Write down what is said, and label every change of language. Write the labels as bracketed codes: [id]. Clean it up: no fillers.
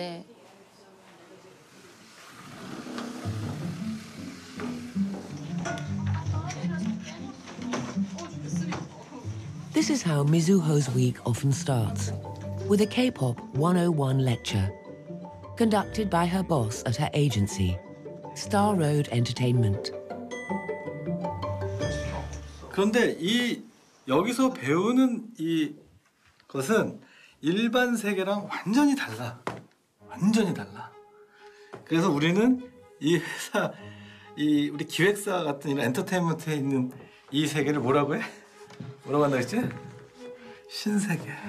[ja] 結局今は土曜日と日曜日の週に2日間だけお寿司屋さんでアルバイトしてるんですけど、これどうしよう本当に。時間がなくてアルバイトできないです。こっちでやることがたくさんあるので。 [en] This is how Mizuho's week often starts, with a K-pop 101 lecture, conducted by her boss at her agency, Star Road Entertainment. [ko] 그런데 이 여기서 배우는 이 것은 일반 세계랑 완전히 달라. 완전히 달라. 그래서 우리는 이 회사, 이 우리 기획사 같은 이런 엔터테인먼트에 있는 이 세계를 뭐라고 해? 뭐라고 한다고 했지? 신세계.